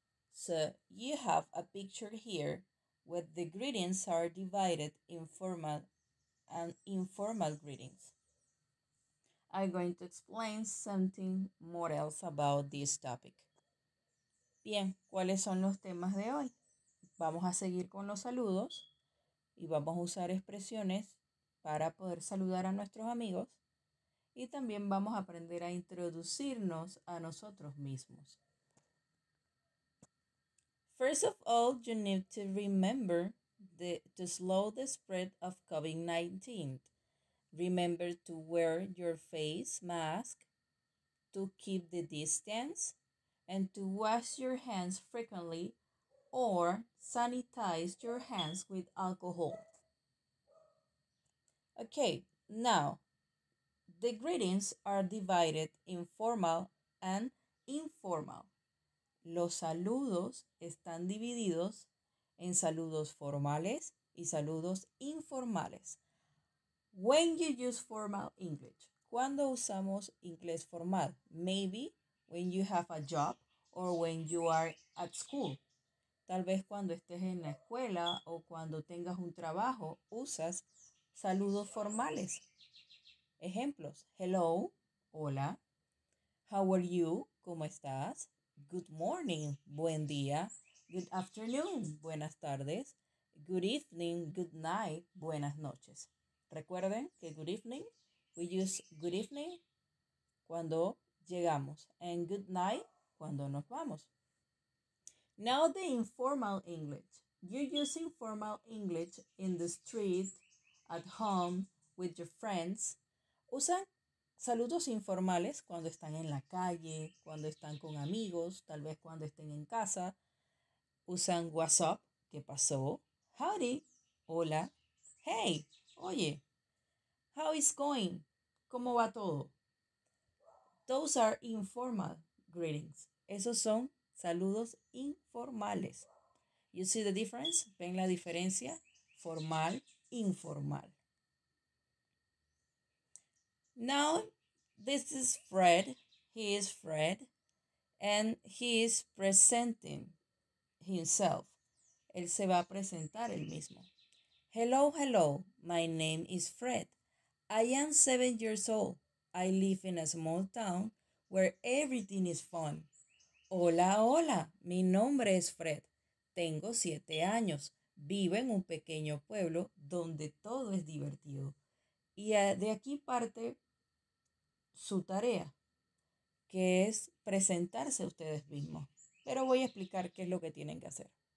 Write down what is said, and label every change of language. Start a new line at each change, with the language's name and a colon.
English: So you have a picture here where the greetings are divided in formal and informal greetings. I'm going to explain something more else about this topic.
Spanish: Bien, ¿cuáles son los temas de hoy? Vamos a seguir con los saludos y vamos a usar expresiones para poder saludar a nuestros amigos y también vamos a aprender a introducirnos a nosotros mismos.
English: First of all, you need to remember to slow the spread of COVID-19. Remember to wear your face mask, to keep the distance, and to wash your hands frequently or sanitize your hands with alcohol. Okay, now, the greetings are divided in formal and informal.
Spanish: Los saludos están divididos en saludos formales y saludos informales.
English: When you use formal English,
Spanish: cuando usamos inglés formal,
English: maybe when you have a job or when you are at school.
Spanish: Tal vez cuando estés en la escuela o cuando tengas un trabajo, usas saludos formales. Ejemplos, hello, hola,
English: how are you,
Spanish: ¿cómo estás?
English: Good morning,
Spanish: buen día,
English: good afternoon,
Spanish: buenas tardes,
English: good evening, good night,
Spanish: buenas noches. Recuerden que
English: good evening, we use good evening
Spanish: cuando llegamos.
English: And good night,
Spanish: cuando nos vamos.
English: Now the informal English. You use informal English in the street, at home, with your friends.
Spanish: Usan saludos informales cuando están en la calle, cuando están con amigos, tal vez cuando estén en casa. Usan
English: what's up,
Spanish: ¿qué pasó? Howdy, hola, hey, oye.
English: How is going?
Spanish: ¿Cómo va todo?
English: Those are informal greetings.
Spanish: Esos son saludos informales.
English: You see the difference?
Spanish: ¿Ven la diferencia?
English: Formal, informal. Now, this is Fred. He is Fred. And he is presenting himself.
Spanish: Él se va a presentar él mismo.
English: Hello, hello. My name is Fred. I am 7 years old. I live in a small town where everything is fun.
Spanish: Hola, hola. Mi nombre es Fred. Tengo 7 años. Vivo en un pequeño pueblo donde todo es divertido. Y de aquí parte su tarea, que es presentarse a ustedes mismos. Pero voy a explicar qué es lo que tienen que hacer.